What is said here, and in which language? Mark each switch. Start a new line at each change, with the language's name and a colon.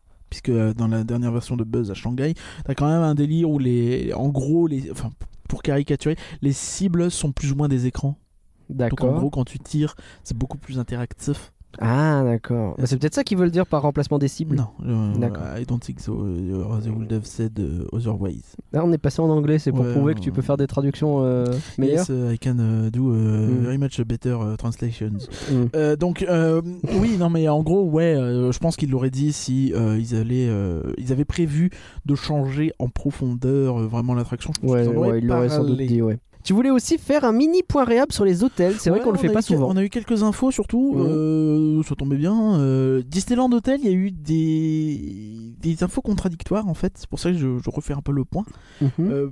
French: Puisque dans la dernière version de Buzz à Shanghai, t'as quand même un délire où enfin, pour caricaturer, les cibles sont plus ou moins des écrans. D'accord. Donc en gros, quand tu tires, c'est beaucoup plus interactif. Ah, d'accord. Bah, c'est peut-être ça qu'ils veulent dire par remplacement des cibles. Non, d'accord.
English: I don't think so. They would have said other ways.
French: Là, on est passé en anglais, c'est pour prouver que tu peux faire des traductions meilleures.
English: Yes, I can do very much better translations.
French: Donc, oui, non, mais en gros, ouais, je pense qu'ils l'auraient dit si ils avaient prévu de changer en profondeur vraiment l'attraction. Ils l'auraient sans doute dit. Tu voulais aussi faire un mini point réhab sur les hôtels. C'est vrai qu'on le fait pas souvent. On a eu quelques infos, surtout. Ouais. Ça tombait bien. Disneyland Hotel, il y a eu des infos contradictoires, en fait. C'est pour ça que je refais un peu le point. Mm-hmm.